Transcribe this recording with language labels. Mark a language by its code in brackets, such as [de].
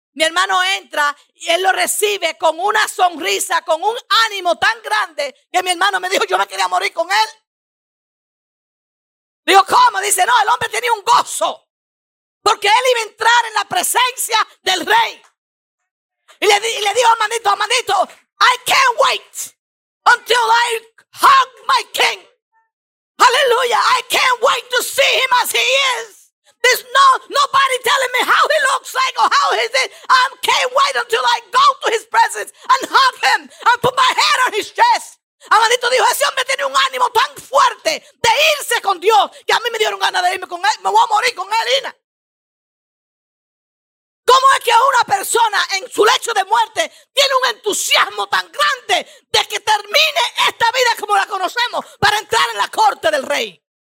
[es] Mi hermano entra y él lo recibe con una sonrisa, con un ánimo tan grande que mi hermano me dijo, yo me quería morir con él. Digo, ¿cómo? Dice, no, el hombre tenía un gozo porque él iba a entrar en la presencia del rey. Y le dijo, hermanito, [en] I can't wait until I hug my king. Aleluya, I can't wait to see him as he is. There's nobody telling me how he looks like or how is it. I can't wait until I go to his presence and hug him and put my head on his chest. [es] Amadito dijo, ese hombre tiene un ánimo tan fuerte de irse con Dios que a mí me dieron ganas de irme con él. Me voy a morir con él, Ina. ¿Cómo es que una persona en su lecho de muerte tiene un entusiasmo tan grande de que termine esta vida como la conocemos para entrar en la corte del rey?